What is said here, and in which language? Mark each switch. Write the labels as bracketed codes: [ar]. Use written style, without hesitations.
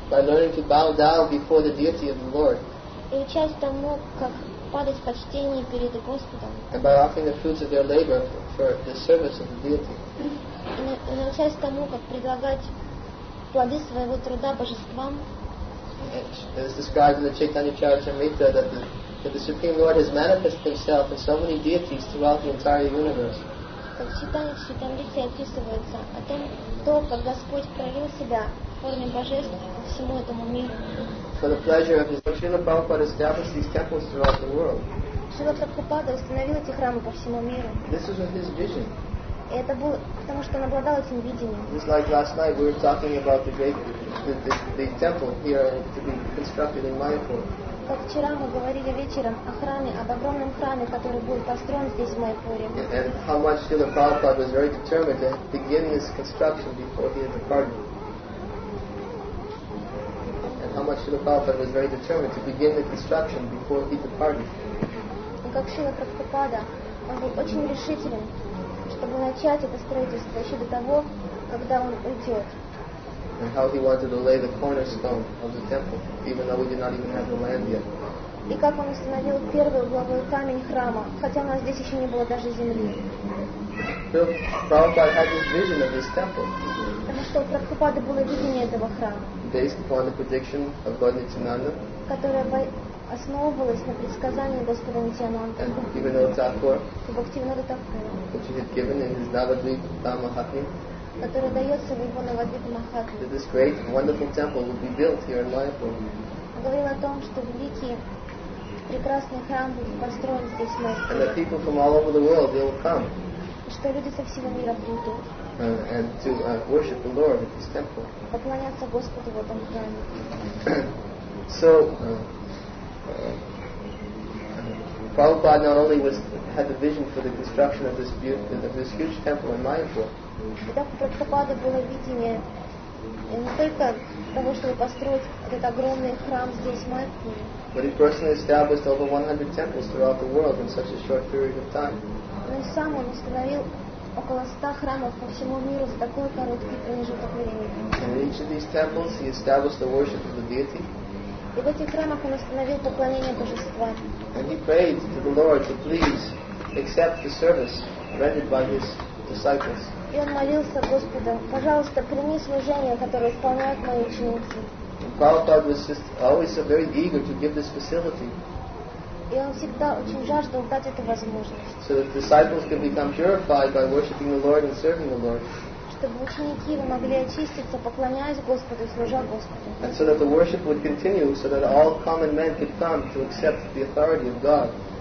[en] By learning to bow down before the deity of the Lord. [ru] И учась тому, как падать в почтении перед Господом. [en] And by offering the fruits of their labor for the service of the deity. [ru] И научаясь тому, как предлагать плоды своего труда божествам. [en] as described in the Chaitanya Charitamrita, that the Supreme Lord has manifested Himself in so many deities throughout the entire universe. [ru] Как в Читании Читамрите описывается о том, то, как Господь проявил Себя в форме Божеств по всему этому миру. [en] For the pleasure of His Srila Prabhupada established these temples throughout the world. [ru] Srila Prabhupada установил эти храмы по всему миру. [en] This was His vision. [ru] И это было, потому что Он обладал этим видением. [en] Just like last night we were talking about the great the temple here to be constructed in Mayapur. [ru] Как вчера мы говорили вечером о храме, об огромном храме, который будет построен здесь в Майпуре. [en] And how much Srila Prabhupada was very determined to begin his construction before he had departed. And how much Srila Prabhupada was very determined to begin the construction before he departed. [ru] И как Srila Prabhupada, он был очень решителен, чтобы начать это строительство еще до того, когда он уйдет. [en] And how he wanted to lay the cornerstone of the temple, even though we did not even have the land yet. [ru] И как он установил первый главный камень храма, хотя у нас здесь еще не было даже земли. [en] So Prabhupada had this vision of this temple. [ru] Потому что у Прабхупады было видение этого храма. [en] Based upon the prediction of Lord Nityananda. [ru] Которое основывалось на предсказании Господа Нитьянанда. [en] Even though Thakur. [ru] Бхактивинода Такур. [en] Which he had given in his Navadvipa Mahatmya. [ru] Который дается в его Навадвипа Махатме. [en] That this great, wonderful temple will be built here in Mayapur. [ru] Говорил о том, что великий, прекрасный храм будет построен здесь в Майпуре. [en] And that people from all over the world will come. [ru] И что люди со всего мира придут. [en] And to worship the Lord at this temple. [ru] Поклоняться Господу в этом храме. [en] So, Prabhupada not only had the vision for the construction of this huge temple in Mayapur. [ru] Итак, у Прабхупады было видение не только того, чтобы построить этот огромный храм здесь, в Майпуре. [en] But he personally established over 100 temples throughout the world in such a short period of time. [ru] Но и сам он установил около 100 храмов по всему миру за такой короткий промежуток времени. [en] And in each of these temples he established the worship of the deity. [ru] И в этих храмах он установил поклонение божества. [en] And he prayed to the Lord to please accept the service rendered by his disciples. [ru] И он молился Господу, пожалуйста, прими служение, которое исполняют мои ученики. [en] Prabhupada was just always so very eager to give this facility. [ru] И он всегда очень жаждал дать эту возможность. [en] So that disciples could become purified by worshiping the Lord and serving the Lord. [ru] Чтобы ученики могли очиститься, поклоняясь Господу и служа Господу. [en] And so that the worship would continue, so that all common men could come to accept the authority of God.